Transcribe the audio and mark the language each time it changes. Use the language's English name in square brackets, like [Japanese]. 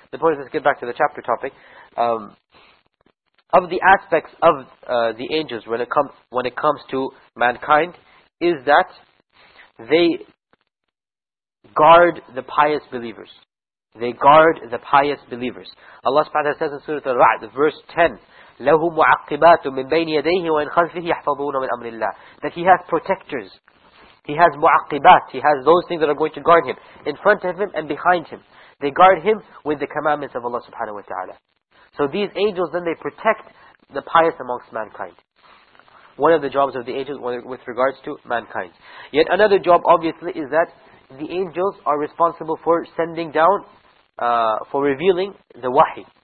[English] The point is, let's get back to the chapter topic. Of the aspects of the angels when it comes to mankind, is that they guard the pious believers. They guard the pious believers. Allah subhanahu wa ta'ala says in Surah Al-Ra'd, verse 10, [Arabic] لَهُ مُعَقِّبَاتُ مِنْ بَيْنِ يَدَيْهِ وَإِنْ خَلْفِهِ يَحْفَظُونَ مِنْ أَمْرِ اللَّهِ. [English] That he has protectors. He has mu'aqibat. He has those things that are going to guard him. In front of him and behind him. They guard him with the commandments of Allah subhanahu wa ta'ala. So these angels, then they protect the pious amongst mankind. One of the jobs of the angels with regards to mankind. Yet another job, obviously, is that the angels are responsible for sending down, for revealing the wahi.